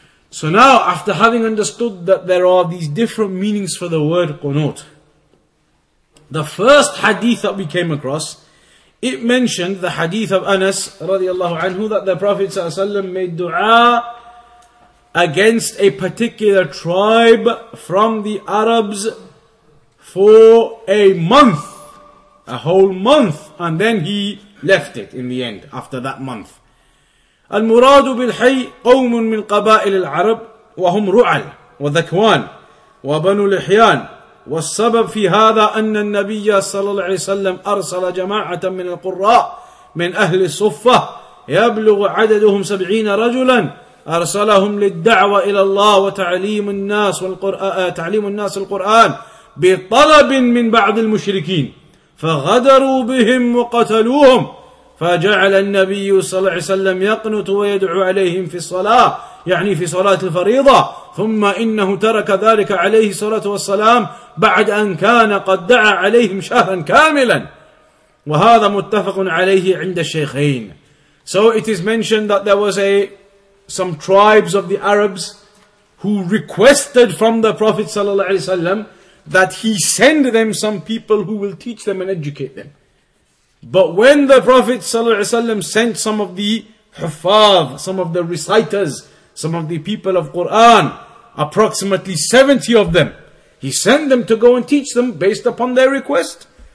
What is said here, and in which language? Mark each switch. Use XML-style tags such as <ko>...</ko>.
<en>So now, after having understood that there are these different meanings for the word qunut, the first hadith that we came across, it mentioned the hadith of Anas radiallahu anhu, that the Prophet ﷺ made dua against a particular tribe from the Arabs for a month, a whole month, and then he left it in the end, after that month.</en> <ar>المراد بالحي قوم من قبائل العرب وهم رعل وذكوان وبنو لحيان والسبب في هذا أن النبي صلى الله عليه وسلم أرسل جماعة من القراء من أهل الصفة يبلغ عددهم 70 رجلا أرسلهم للدعوة إلى الله وتعليم الناس والقرآن تعليم الناس القرآن بطلب من بعض المشركين فغدروا بهم وقتلوهم فجعل النبي صلى الله عليه وسلم يقنط ويدعو عليهم في الصلاة يعني في صلاة الفريضة ثم إنه ترك ذلك عليه الصلاة والسلام بعد أن كان قد دعا عليهم شهرا كاملا وهذا متفق عليه عند الشيخين.</ar> <en>So it is mentioned that there was some tribes of the Arabs who requested from the Prophet صلى الله عليه وسلم that he send them some people who will teach them and educate them. But when the Prophet ﷺ sent some of the huffaz, some of the reciters, some of the people of Qur'an, approximately 70 of them, he sent them to go and teach them based upon their request.</en>